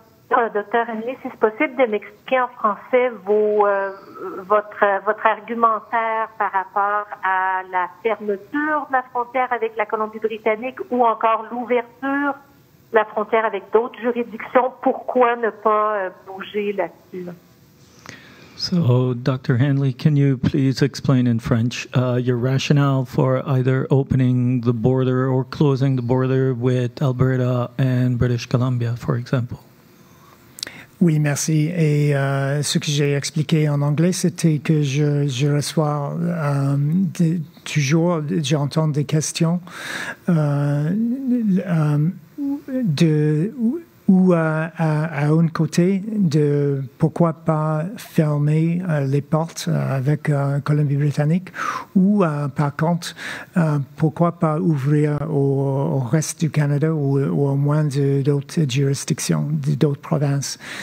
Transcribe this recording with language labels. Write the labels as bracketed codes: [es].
[fr] Docteur Hanley, si c'est possible de m'expliquer en français votre argumentaire par rapport à la fermeture de la frontière avec la Colombie-Britannique ou encore l'ouverture de la frontière avec d'autres juridictions. Pourquoi ne pas bouger là-dessus? [en] So, Dr. Hanley, can you please explain in French your rationale for either opening the border or closing the border with Alberta and British Columbia, for example? [fr] Oui, merci. Et ce que j'ai expliqué en anglais, c'était que je reçois toujours, j'entends des questions de... ou à un côté de pourquoi pas fermer les portes avec Colombie-Britannique, ou par contre, pourquoi pas ouvrir au reste du Canada ou au moins d'autres juridictions, d'autres provinces.